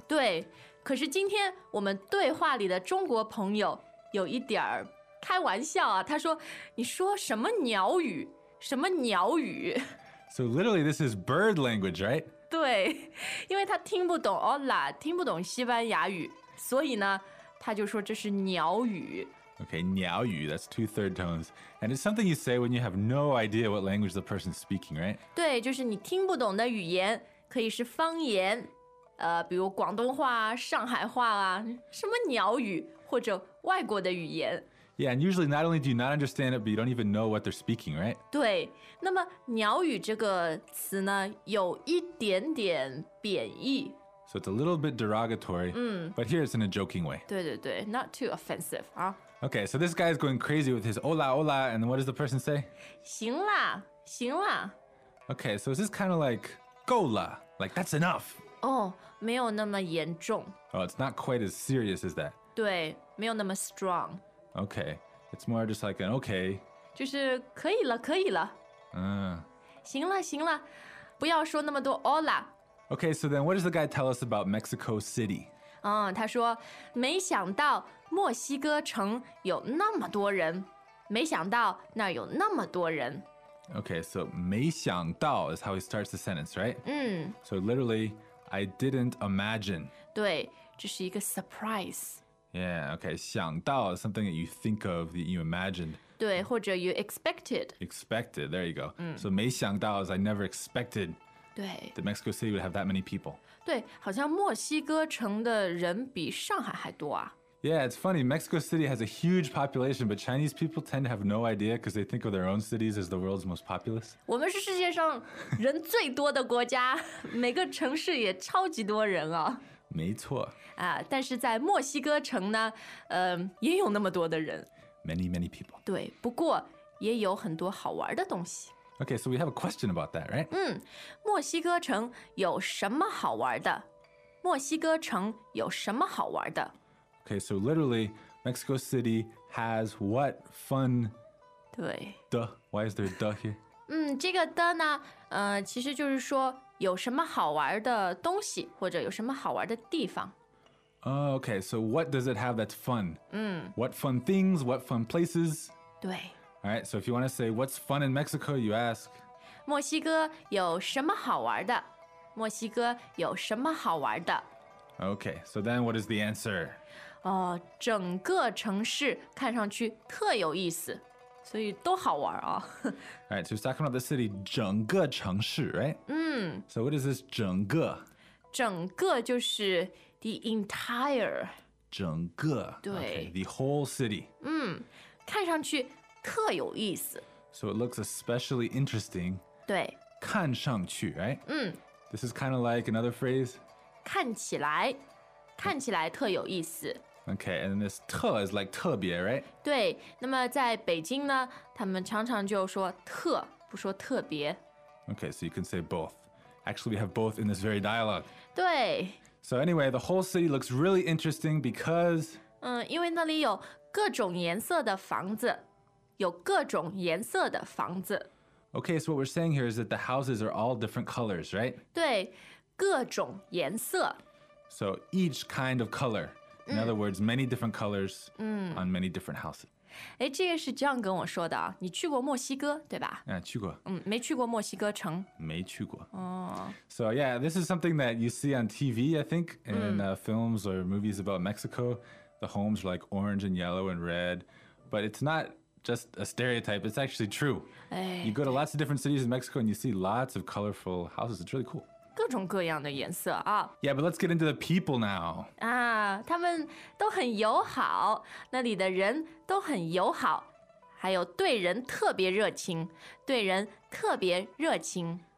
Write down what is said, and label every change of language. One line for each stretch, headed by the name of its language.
Chinese: 对，可是今天我们对话里的中国朋友有一点儿开玩笑啊，他说，你说什么鸟语？什么鸟语？
English: So literally this is bird language, right?
Chinese: 对，因为他听不懂 hola, 听不懂西班牙语。所以呢，他就说这是鸟语。
English: Okay, 鸟语, that's two third tones. And it's something you say when you have no idea what language the person's speaking, right?
Chinese: 对，就是你听不懂的语言，可以是方言，比如广东话、上海话啊，什么鸟语，或者外国的语言。
English: Yeah, and usually not only do you not understand it, but you don't even know what they're speaking, right?
Chinese: 对，那么鸟语这个词呢，有一点点贬义。
English: So it's a little bit derogatory, but here it's in a joking way.
Chinese: 对对对,
English: not too offensive, huh? Okay, so this guy is going crazy with his hola, hola, and what does the person say?
Chinese: 行啦,行啦。
English: Okay, so is this kind of like,够啦, like that's enough?
Chinese: 没有那么严重。
English: Oh, it's not quite as serious as that.
Chinese: 对,没有那么 strong.
English: Okay, it's more just like an okay.
Chinese: 就是可以了,可以了。行啦,行啦,不要说那么多hola。
English: Okay, so then what does the guy tell us about Mexico City?
Chinese: 他说没想到墨西哥城有那么多人，没想到那有那么多人。
English: Okay, so 没想到 is how he starts the sentence, right? 嗯。 So literally, I didn't imagine.
Chinese: 对，这是一个 surprise.
English: Yeah, okay, 想到 is something that you think of, that you imagined.
Chinese: 对，或者
English: you expected. Expected, there you go. So 没想到 is I never expected.
Chinese: 对,
English: that Mexico City would have that many people.
Chinese: 对，好像墨西哥城的人比上海还多啊。
English: Yeah, it's funny. Mexico City has a huge population, but Chinese people tend to have no idea because they think of their own cities as the world's most populous.
Chinese: 我们是世界上人最多的国家，每个城市也超级多人啊。没错。啊，但是在墨西哥城呢，也有那么多的人。
English: Many, many people.
Chinese: 对，不过也有很多好玩的东西。
English: Okay, so we have a question about that, right?
Chinese: 墨西哥城有什么好玩的？墨西哥城有什么好玩的？
English: Okay, so literally, Mexico City has what fun?
Chinese: 对。
English: 的, why is there 的 here?
Chinese: 这个的呢，其实就是说有什么好玩的东西，或者有什么好玩的地方。
English: Okay, so what does it have that's fun? What fun things, what fun places?
Chinese: 对。
English: All right, so if you want to say what's fun in Mexico, you ask.
Chinese: 墨西哥有什么好玩的？墨西哥有什么好玩的？
English: Okay, so then what is the answer?
Chinese: 整个城市看上去特有意思，所以都好玩啊。
English: All right, so he's talking about the city, 整个城市, right? So what is this 整个?
Chinese: 整个就是
English: the entire.
Chinese: 整个。对。
English: Okay, the whole city.
Chinese: 看上去特有意思。
English: So it looks especially interesting.
Chinese: 对。
English: 看上去, right? This is kind of like another phrase.
Chinese: 看起来。看起来特有意思。
English: Okay, and this 特 is like 特别, right?
Chinese: 对,那么在北京呢,他们常常就说特,不说特别。
English: Okay, so you can say both. Actually, we have both in this very dialogue.
Chinese: 对。
English: So anyway, the whole city looks really interesting because...
Chinese: 因为那里有各种颜色的房子,有各种颜色的房子。
English: Okay, so what we're saying here is that the houses are all different colors, right?
Chinese: 对,各种颜色。
English: So each kind of color. In other words, many different colors on many different houses.
Chinese: 诶,这个是这样跟我说的啊。你去过墨西哥,对吧? 啊,去过。没去过墨西哥城。没去过。哦。
English: So yeah, this is something that you see on TV, I think, in films or movies about Mexico. The homes are like orange and yellow and red. But it's not just a stereotype, it's actually true. 诶, you go to lots of different cities in Mexico and you see lots of colorful houses. It's really cool.
Chinese: 各种各样的颜色啊。
English: Yeah, but let's get into the people now.
Chinese: 他们都很友好，那里的人都很友好，还有对人特别热情，对人特别热情。